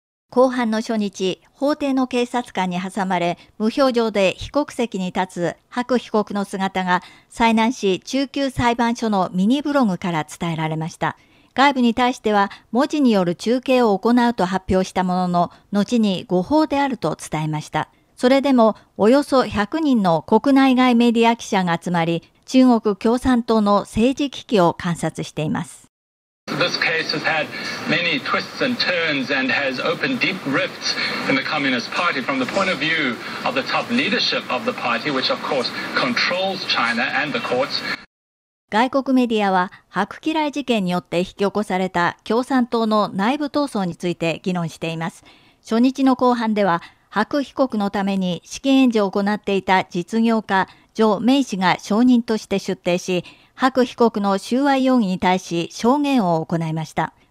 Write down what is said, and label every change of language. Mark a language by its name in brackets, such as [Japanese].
[Japanese] 公判の初日、法廷の警察官に挟まれ、無表情で被告席に立つ白被告の姿が、済南市中級裁判所のミニブログから伝えられました。外部に対しては、文字による中継を行うと発表したものの、後に誤報であると伝えました。それでも、およそ100人の国内外メディア記者が集まり、中国共産党の政治危機を観察しています。 [English] This case has had many twists and turns and has opened deep rifts in the Communist Party from the point of view of the top leadership of the party, which of course controls China and the courts. [Japanese] 外国メディアは白吉来事件によって引き起こされた共産党の内部闘争について議論しています。初日の後半では白被告のために資金援助を行っていた実業家ジョ・メイ氏が証人として出廷し、白被告の収賄容疑に対し証言を行いました。